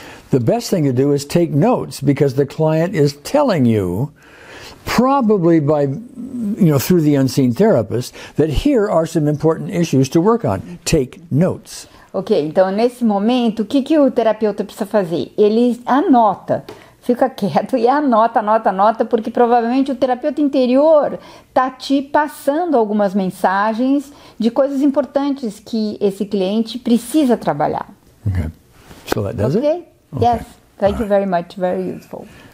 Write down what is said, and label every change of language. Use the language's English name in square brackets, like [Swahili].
[English] The best thing to do is take notes, because the client is telling you, probably by, you know, through the unseen therapist, that here are some important issues to work on. Take notes. [Portuguese] Ok, então nesse momento, o que o terapeuta precisa fazer? Ele anota, fica quieto e anota, porque provavelmente o terapeuta interior está te passando algumas mensagens de coisas importantes que esse cliente precisa trabalhar. [English] Ok, so that does it? Ok, yes. Thank you very much, very useful.